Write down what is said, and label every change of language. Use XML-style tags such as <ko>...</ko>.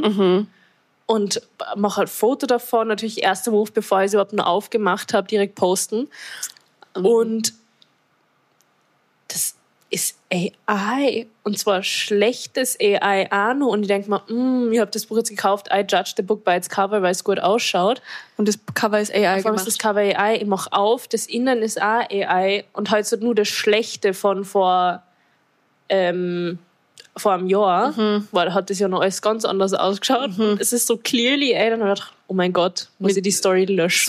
<de>Mhm. Und mach halt Foto davon. Natürlich erster Move, bevor ich es überhaupt noch aufgemacht habe, direkt posten. Mhm. Und das ist AI. Und zwar schlechtes AI Anu. Und ich denke mir, ich habe das Buch jetzt gekauft.</de> <en>I judge the book by its cover,</en> <de>weil es gut ausschaut. Und das Cover ist AI gemacht. Ist das Cover AI. Ich mache auf, das Innen ist auch AI. Und halt so nur das Schlechte von vor einem Jahr. Mhm. Weil hat das ja noch alles ganz anders ausgeschaut. Mhm. Es ist so clearly AI. Dann habe ich gedacht, oh mein Gott, muss ich die Story löschen?</de>